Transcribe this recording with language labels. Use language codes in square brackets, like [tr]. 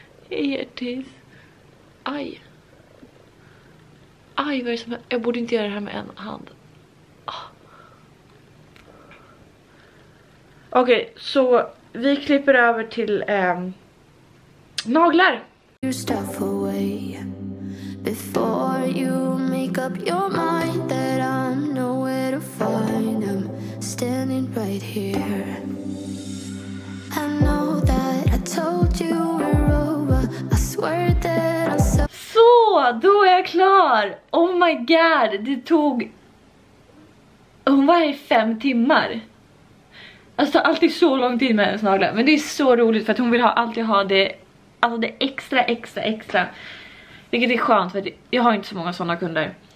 [sv] Hej, hjärtis. Aj. Aj, vad är det som händer? Jag borde inte göra det här med en hand. Okej, så vi klipper över till naglar. [en] You stuff away before you make up your mind that I'm nowhere to find. I'm standing right here. I know that I told you we're over. I swear that I saw. [sv] Så, då är jag klar. [en] Oh my god, [sv] det tog, hon var här i 5 timmar. Alltså det tar alltid så lång tid med hennes naglar. Men det är så roligt för att hon vill alltid ha det. Alltså det extra. Vilket är skönt för jag har inte så många sådana kunder.